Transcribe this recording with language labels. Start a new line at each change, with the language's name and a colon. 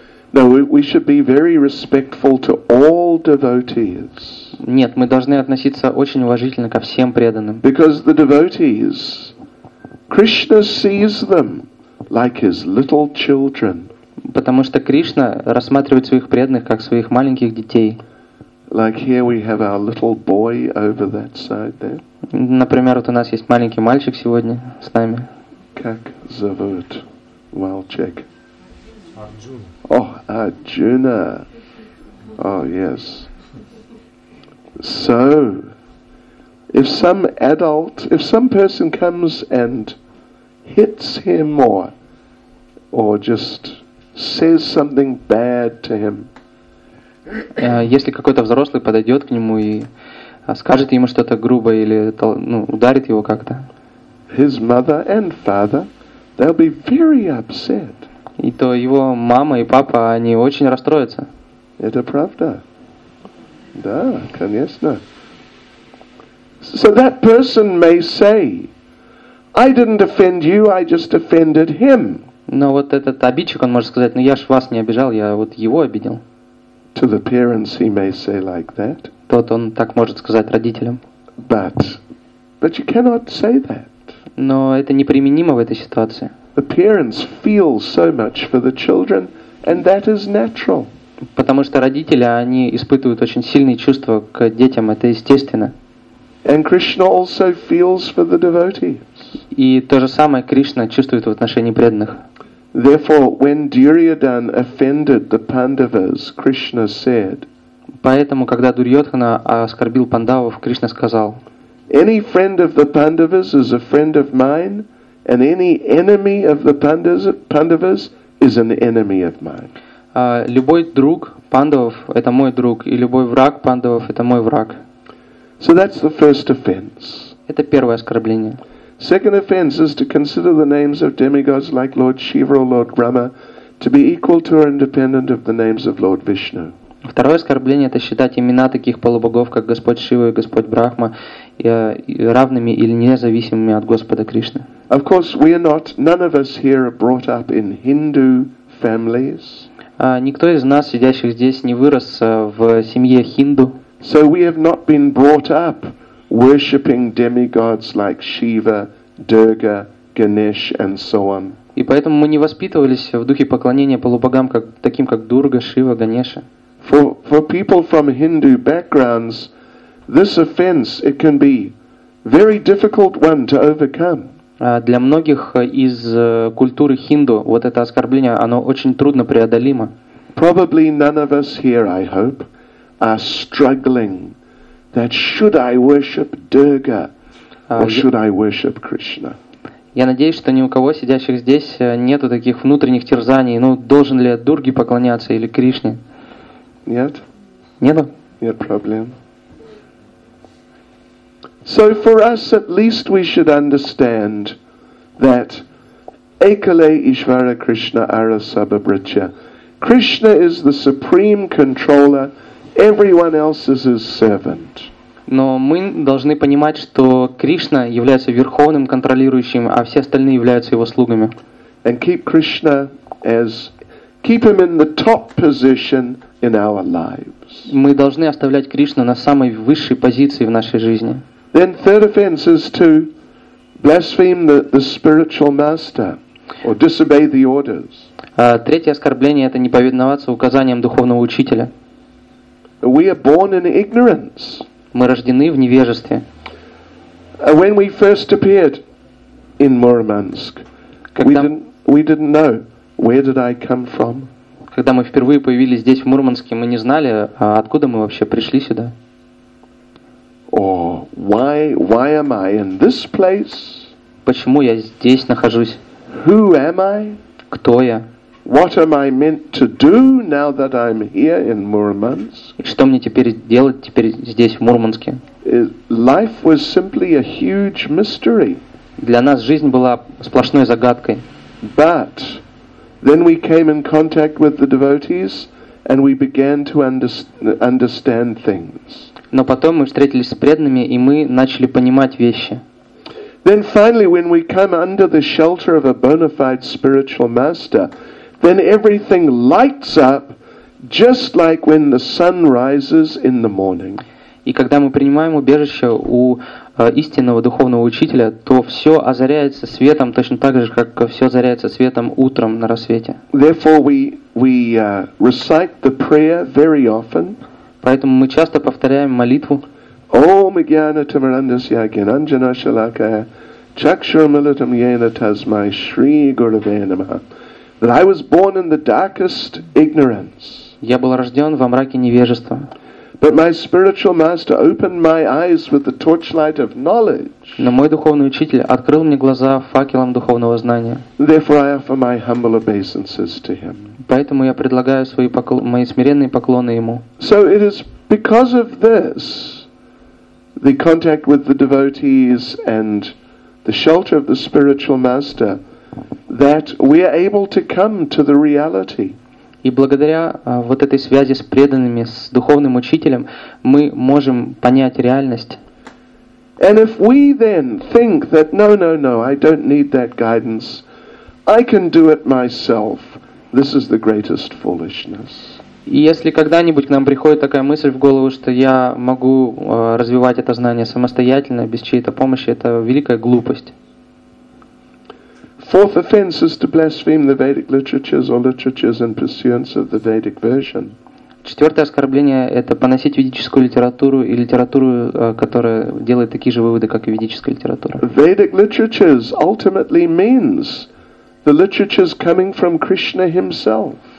English: No, we should be very respectful to all devotees.
Russian: Нет, мы должны относиться очень уважительно ко всем преданным.
English: Because the devotees, Krishna sees them like his little children.
Russian: Потому что Кришна рассматривает своих преданных как своих маленьких детей.
English: Like here we have our little boy over that side there.
Russian: Например, вот у нас есть маленький мальчик сегодня с нами. Как зовут?
English: Well, check. Arjuna. Oh, Arjuna. Oh, yes. So, if some adult, if some person comes and hits him or just says something bad to him.
Russian: Если какой-то взрослый подойдет к нему и скажет ему что-то грубое или ударит его как-то.
English: His mother and father, they'll be very upset.
Russian: И то его мама и папа, они очень расстроятся. Это правда. Да, конечно.
English: So that person may say, I didn't offend you, I just offended him.
Russian: Но вот этот обидчик, он может сказать, ну я ж вас не обижал, я вот его обидел.
English: To the parents he may say like that.
Russian: Тот он так может сказать родителям.
English: But you cannot say that.
Russian: Но это неприменимо в этой ситуации.
English: The parents feel so much for the children, and that is natural.
Russian: Потому что родители, они испытывают очень сильные чувства к детям, это естественно.
English: And Krishna also feels for the devotees.
Russian: И то же самое Кришна чувствует в отношении преданных.
English: Therefore, when Duryodhana offended the Pandavas, Krishna said.
Russian: Поэтому, когда Дурьотхана оскорбил пандавов, Кришна сказал.
English: Any friend of the Pandavas is a friend of mine. And any enemy of the Pandavas is an enemy of mine.
Russian: Любой друг пандавов – это мой друг, и любой враг пандавов – это мой враг.
English: So that's the first offense.
Russian: Это первое оскорбление.
English: Second offense is to consider the names of demigods like Lord Shiva or Lord Brahma to be equal to or independent of the names of Lord Vishnu.
Russian: Второе оскорбление – это считать имена таких полубогов, как Господь Шива и Господь Брахма, равными или независимыми от Господа Кришны.
English: Of course, we are not. None of us here are brought up in Hindu families.
Russian: Никто из нас, сидящих здесь, не вырос в семье хинду.
English: So we have not been brought up worshipping demigods like Shiva, Durga, Ganesh, and so on.
Russian: И поэтому мы не воспитывались в духе поклонения полубогам, как, таким как Дурга, Шива, Ганеша.
English: For people from Hindu backgrounds, this offense it can be very difficult one to overcome.
Russian: Для многих из культуры хинду вот это оскорбление оно очень трудно преодолимо.
English: Probably none of us here, I hope, are struggling that should I worship Durga Or should I worship Krishna?
Russian: Я надеюсь, что ни у кого сидящих здесь нету таких внутренних терзаний. Ну, должен ли я Дурге поклоняться или Кришне? Нет. Нету? Нет проблем.
English: So for us, at least we should understand that
Sanskrit: Ekale Ishvara Krishna Arasabha Vritya.
English: Krishna is the supreme controller, everyone else is his servant.
Russian: Но мы должны понимать, что Кришна является верховным контролирующим, а все остальные являются его слугами.
English: And keep Krishna as keep him in the top position in our lives.
Russian: Мы должны оставлять Кришну на самой высшей позиции в нашей жизни.
English: Then third offense is to blaspheme the spiritual master or disobey the orders.
Russian: Третье оскорбление — это не повиноваться указаниям духовного учителя.
English: We are born in ignorance.
Russian: Мы рождены в невежестве.
English: When we first appeared in Murmansk, we didn't know where did I come from.
Russian: Когда мы впервые появились здесь в Мурманске, мы не знали, откуда мы вообще пришли сюда.
English: Or why am I in this place?
Russian: Почему я здесь нахожусь?
English: Who am I?
Russian: Кто я?
English: What am I meant to do now that I'm here in Murmansk?
Russian: Что мне теперь делать теперь здесь в Мурманске?
English: Life was simply a huge mystery.
Russian: Для нас жизнь была сплошной загадкой.
English: But then we came in contact with the devotees and we began to understand things.
Russian: Но потом мы встретились с преданными и мы начали понимать вещи.
English: Then finally when we come under the shelter of a bona fide spiritual master, then everything lights up just like when the sun rises in the morning.
Russian: И когда мы принимаем убежище у истинного духовного учителя, то все озаряется светом точно так же, как все озаряется светом утром на рассвете.
English: Therefore we recite the prayer very often.
Russian: Поэтому мы часто повторяем молитву.
Sanskrit: Ом гьяна тамарандасья гьянанджана шалакая чакшурмилитам йена тасмай шри гурве намаха.
English: That I was born in the darkest ignorance.
Russian: Я был рожден во мраке невежества.
English: But my spiritual master opened my eyes with the torchlight of knowledge.
Russian: Но мой духовный учитель открыл мне глаза факелом духовного знания.
English: Therefore I offer my humble obeisances to him.
Russian: Поэтому я предлагаю свои мои смиренные поклоны ему.
English: So it is because of this, the contact with the devotees and the shelter of the spiritual master, that we are able to come to the reality.
Russian: И благодаря вот этой связи с преданными, с духовным учителем, мы можем понять реальность.
English: And if we then think that no, I don't need that guidance, I can do it myself, this is the greatest foolishness.
Russian: И если когда-нибудь к нам приходит такая мысль в голову, что я могу развивать это знание самостоятельно, без чьей-то помощи, это великая глупость.
English: Fourth offense is to blaspheme the Vedic literatures or literatures in pursuance of the Vedic version.
Russian: Четвертое оскорбление – это поносить ведическую литературу и литературу, которая делает такие же выводы, как и ведическая литература.
English: Vedic literatures ultimately means the literatures coming from Krishna himself.